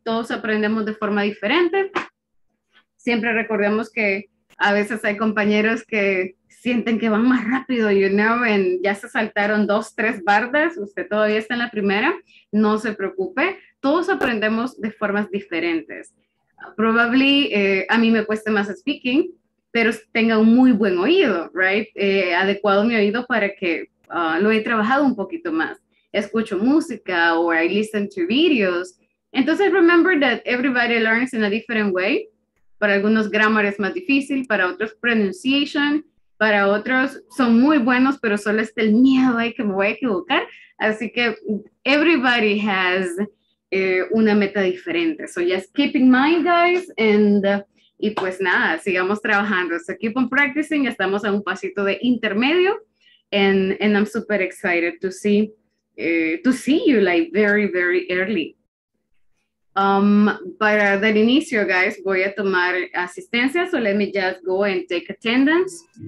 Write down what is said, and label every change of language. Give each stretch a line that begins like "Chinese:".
Spanish: Todos aprendemos de forma diferente. Siempre recordemos que a veces hay compañeros que sienten que van más rápido,
English: you know, and
Spanish: ya se saltaron 2, 3 bardas, usted todavía está en la primera, no se preocupe, todos aprendemos de formas diferentes. Probably, a mí me cuesta más speaking, pero tenga un muy buen oído, right? Adecuado mi oído para que lo he trabajado un poquito más. Escucho música,
English: or I listen to videos. Entonces, remember that everybody learns in a different way.
Spanish: Para algunos, grammar es más difícil, para otros, pronunciation. Para otros son muy buenos, pero solo está el miedo de que me voy a equivocar. Así que
English: everybody has
Spanish: una meta diferente.
English: So just keep in mind, guys. And
Spanish: y pues nada, sigamos trabajando.
English: So keep on practicing.
Spanish: Estamos a un pasito de intermedio.
English: And I'm super excited to see you like very, very early.
Spanish: Para dar inicio, guys, voy a tomar asistencia.
English: So let me just go and take attendance.